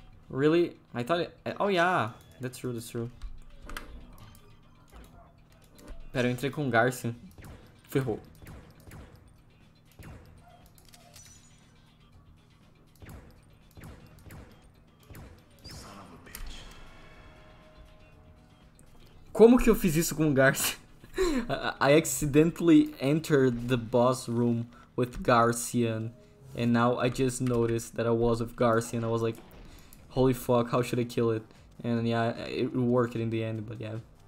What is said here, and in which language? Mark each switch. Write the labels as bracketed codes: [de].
[en] Really? I thought it. Oh yeah, that's true, that's true. [pt] Pera, eu entrei com o Garcia. Ferrou. Como que eu fiz isso com o Garcia? [en] I accidentally entered the boss room with Garcian, and now I just noticed that I was with Garcia and I was like, holy fuck, how should I kill it? And yeah, it worked in the end, but yeah.